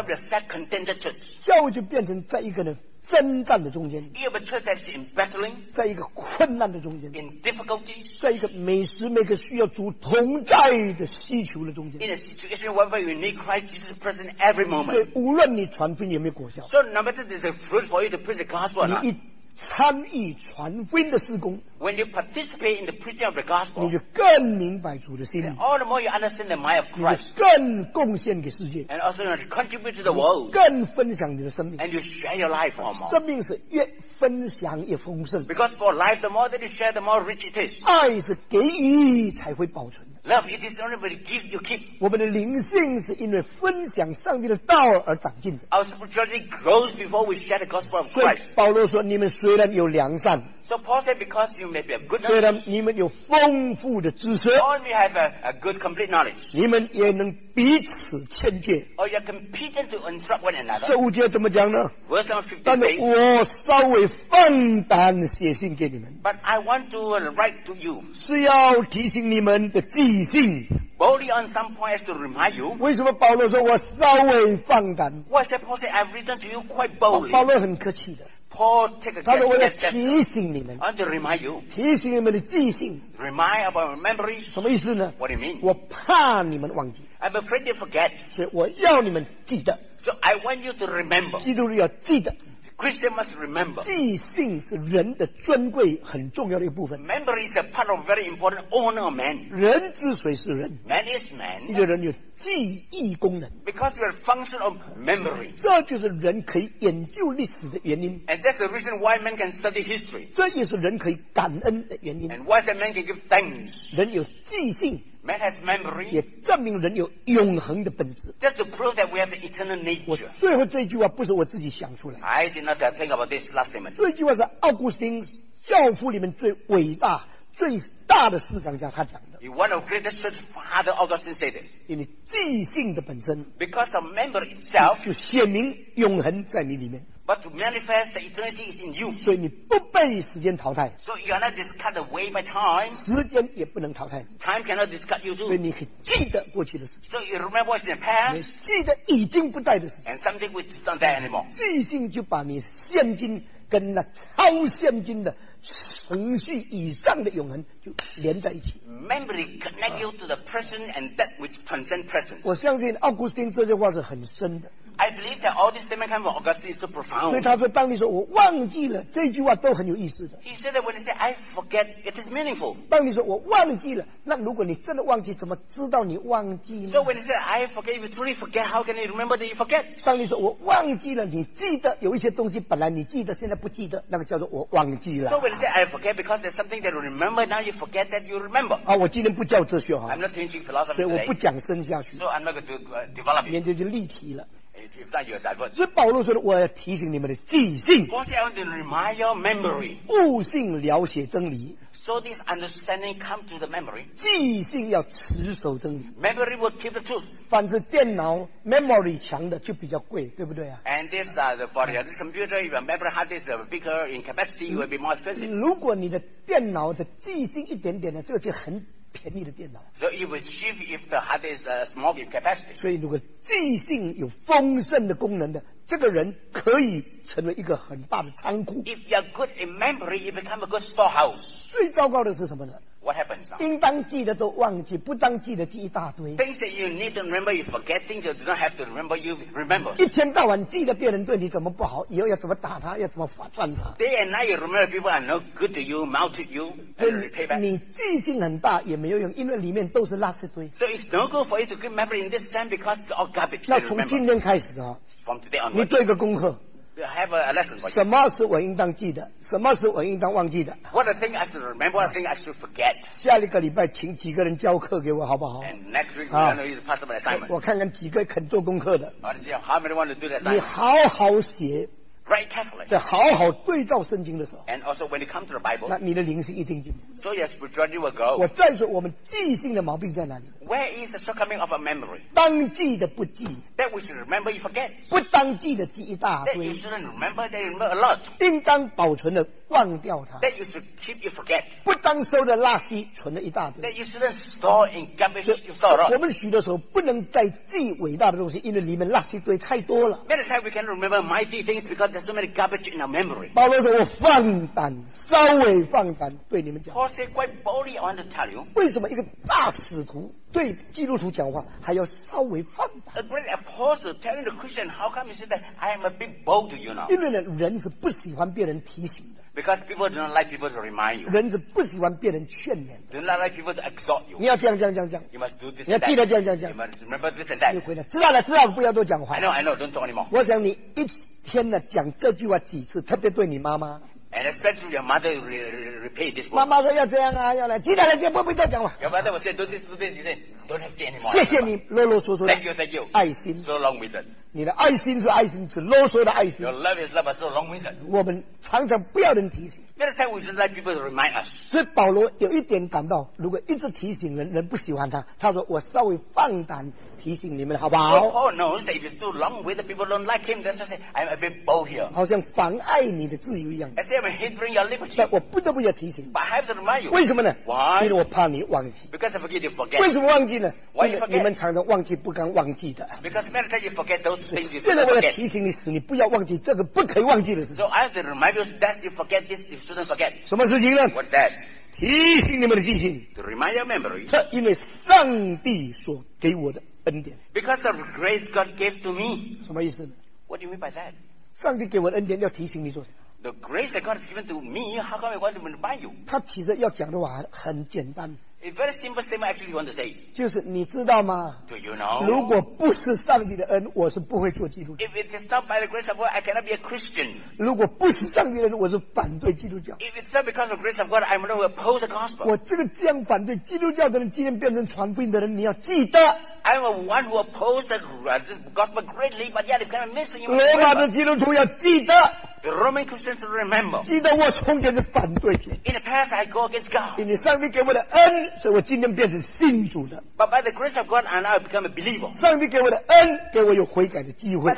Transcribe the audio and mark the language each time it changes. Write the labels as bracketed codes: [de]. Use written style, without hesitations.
[en] Not be a self-contented church. [zh] 教会就变成在一个人。征战的中间 [en] you have a church that's in battling, [zh] 在一个困难的中间 [en] in difficulty, [zh] 在一个每时每刻需要主同在的需求的中间 [en] in a situation where you need Christ Jesus present every moment [zh] 所以无论你传福音有没有果效 [en] so no matter there's a fruit for you to preach the gospel or not [zh] 你一参与传福音的事工 [en] when you participate in the preaching of the gospel [zh] 你就更明白主的心意 [en] all the more you understand the mind of Christ [zh] 你就更贡献给世界 [en] and also you contribute to the world [zh] 更分享你的生命 [en] and you share your life more [zh] 生命是越分享越丰盛 [en] because for life the more that you share the more rich it is [zh] 爱是给予才会保存 [en] love it is only when you give you keep [zh] 我们的灵性是因为分享上帝的道而长进的 [en] our spirituality grows before we share the gospel of Christ [zh] 所以保罗说你们虽然有良善 [en] so Paul said because you may be a good [zh] 虽然你们有丰富的知识 [en] or you have a good complete knowledge [zh] 你们也能彼此劝诫 [en] or you are competent to instruct one another [zh] 十五节怎么讲呢 [en] verse number 50 [zh] 但是我稍微放胆写信给你们 [en] but I want to write to you [zh] 是要提醒你们的记性 [en] Boldly on some points to remind you. [zh] 为什么保罗说我稍微放胆 [en] What's that Paul said? I've written to you quite boldly. [zh] 保罗很客气的 [en] Paul take a [zh] 他说我要提醒你们 [en] I want to remind you. [zh] 提醒你们的记性 [en] Remind about your memory. [zh] 什么意思呢 [en] What do you mean? [zh] 我怕你们忘记 [en] I'm afraid you forget. [zh] 所以我要你们记得 [en] So I want you to remember. [zh] 基督徒要记得 [en] Christian must remember. [zh] 记性是人的尊贵很重要的一部分 [en] Memory is a part of very important honor of man. [zh] 人之所以是人 [en] Man is man. [zh] 一个人有记忆功能 [en] Because you're a function of memory. [zh] 这就是人可以研究历史的原因 [en] And that's the reason why man can study history. [zh] 这也是人可以感恩的原因 [en] And why man can give thanks. [zh] 人有记性 [en] Man has memory. [zh] 也证明人有永恒的本质。 [en] Just to prove that we have the eternal nature. [zh] 我最后这句话不是我自己想出来。 [en] I did not think about this last statement. [zh] 这句话是奥古斯丁教父里面最伟大、最大的思想家他讲的。 [en] One of the greatest church father Augustine said this. [zh] 因为记性的本身。 [en] Because of memory itself. [zh] 就显明永恒在你里面。 [en] But to manifest the eternity is in you. [zh] 所以你不被时间淘汰。 [en] So you are not discarded away by time. [zh] 时间也不能淘汰。 [en] Time cannot discard you too. [zh] 所以你可以记得过去的事。 [en] So you remember what's in the past. [zh] 你记得已经不在的事。 [en] And something which is not there anymore. [zh] 记性就把你现今跟那超现今的程序以上的永恒就连在一起。 [en] Memory connect you to the present and that which transcends present. [zh] 我相信奥古斯丁这句话是很深的。 [en] I believe that all these statements come from Augustine is so profound. [zh] 所以他说，当你说我忘记了，这句话都很有意思的。 [en] He said that when he said I forget, it is meaningful. [zh] 当你说我忘记了，那如果你真的忘记，怎么知道你忘记呢？ [en] So when he said I forget, if you truly forget, how can you remember that you forget? [zh] 当你说我忘记了，你记得有一些东西本来你记得，现在不记得，那个叫做我忘记了。 [en] So when he said I forget, because there's something that you remember, now you forget that you remember. [zh] 啊，我今天不教哲学哈。 [en] I'm not teaching philosophy today. [zh] 所以我不讲深下去。 [en] So I'm not going to develop. [zh] 面前就立体了。所以保罗说的，我要提醒你们的记性，悟性了解真理。 [en] So this understanding come to the memory. [zh] 记性要持守真理。 [en] Memory will keep the truth. [zh] 凡是电脑 memory 强的就比较贵，对不对啊？ [en] And this the for the computer, if your memory hard is bigger in capacity, it will be more expensive. [zh] 如果你的电脑的记性一点点的，这个就很。便宜的电脑。 [en] So it will cheap if the hard is a small capacity. [zh] 所以如果记性有丰盛的功能的，这个人可以成为一个很大的仓库。 [en] If you are good in memory, you become a good storehouse. [zh] 最糟糕的是什么呢？ [en] What happens now? [zh] 应当记得都忘记，不当记得记一大堆。 [en] Things that you need to remember, you forget. Things you do not have to remember, you remember. [zh] 一天到晚记得别人对你怎么不好，以后要怎么打他，要怎么算他。 [en] Day and night you remember people are no good to you, mouth to you, and repay back. [zh] 你记性很大也没有用，因为里面都是垃圾堆。 [en] So it's no good for you to keep memory in this sense because it's all garbage. [zh] 那从今天开始啊， [en] from today onward, [zh] 你做一个功课。 [en] Have a lesson for you. [zh] 什么是我应当记得？什么是我应当忘记的 [en] ？What a thing I should remember, what a thing I should forget. [zh] 下一个礼拜请几个人教课给我，好不好 [en] ？And next week we are going to use a possible assignment. [zh] 我看看几个肯做功课的。 [en] How many want to do the assignment? [zh] 你好好写 [en] ，write carefully. [zh] 在好好对照圣经的时候 [en] ，And also when it comes to the Bible, [zh] 那你的灵性一定进步。 [en] So your spirituality will go. [zh] 我再说，我们记性的毛病在哪里 [en] ？Where is the shortcoming of a memory? [zh] 当记的不记。 [en] That we should remember, you forget. [zh] 不当记的记一大堆。 [en] That you shouldn't remember, that you remember a lot. [zh] 应当保存的忘掉它。 [en] That you should keep, you forget. [zh] 不当收的垃圾存了一大堆。 [en] That you shouldn't store in garbage, you store a lot. [zh] 我们许多时候不能再记伟大的东西，因为里面垃圾堆太多了。 [en] Many times we can't remember mighty things because there's so many garbage in our memory. [zh] 保罗说：“我放胆，稍微放胆对你们讲。” [en] Paul said quite boldly, I want to tell you. [zh] 为什么一个大使徒？对基督徒讲话还要稍微放胆。 [en] A great apostle telling the Christian, how come you say that I am a bit bold to you now? [zh] 因为呢，人是不喜欢别人提醒的。 [en] Because people do not like people to remind you. [zh] 人是不喜欢别人劝勉的。 [en] Do not like people to exhort you. [zh] 你要这样这样这样这样。 [en] You must do this. [zh] 你要记得这样这样这样。 [en] You must remember this and that. [zh] 你回来知道了知道了，不要多讲话。 [en] I know, I know. Don't talk anymore. [zh] 我想你一天呢讲这句话几次，特别对你妈妈。 [en] And especially your mother repeat this word. [zh] 妈妈说要这样啊，要来，记得来，不要讲了。 [en] Your mother will say, "Do this, do this, do this. Don't have to anymore." [zh] 谢谢你，啰啰嗦嗦。 [en] Thank you, thank you. [zh] 爱心。 [en] So long-winded. [zh] 你的爱心是爱心，是啰嗦的爱心。 [en] Your love is love, but so long-winded. [zh] 我们常常不要人提醒。 [en] Many times we should let people remind us. [zh] 所以保罗有一点感到，如果一直提醒人，人不喜欢他。他说我稍微放胆提醒你们，好不好 [en] ？So Paul knows that if he's too long-winded, people don't like him. That's why I'm a bit bold here. [zh] 好像妨碍你的自由一样。 [en] As if I'm hindering your liberty. [zh] 但我不得不要提醒。 [en] But I have to remind you. [zh] 为什么呢 [en] ？Why? [zh] 因为我怕你忘记。 [en] Because I forget, you forget. [zh] 为什么忘记呢 [en] ？Why you forget? [zh] 你们常常忘记不敢忘记的。 [en] Because many times you forget those things you shouldn't forget. [zh] 现在我要提醒你，使你不要忘记这个不可以忘记的事。 [en] So I have to remind you that you forget this. You shouldn't forget. [zh] 什么事情呢 [en] ？What's that? [zh] 提醒你们的记性 [en] to remind your memory, [zh] 这因为上帝所给我的恩典 [en] because of grace God gave to me [zh] 什么意思 [en] what do you mean by that [zh] 上帝给我的恩典要提醒你做什么 [en] the grace that God has given to me how come I want to remind you [zh] 他其实要讲的话很简单 [en] A very simple statement actually you want to say. [zh] 就是你知道吗? [en] Do you know? [zh] 如果不是上帝的恩,我是不会做基督教。 [en] If it is not by the grace of God, I cannot be a Christian. [zh] 如果不是上帝的恩,我是反对基督教。 [en] If it's not because of grace of God, I'm not opposed to the gospel. [zh] 我这个这样反对基督教的人,今天变成传福音的人,你要记得。 [en] I'm a one who opposed the gospel greatly, but yet if you're missing, you must remember. [zh] 罗马的基督徒要记得。 [en] The Roman Christians remember. [zh] 记得我从前是反对主。 [en] In the past, I go against God. [zh] 因为上帝给我的恩,所以我今天变成信主的。 [en] But by the grace of God, I now become a believer. [zh] 上帝给我的恩,给我有悔改的机会。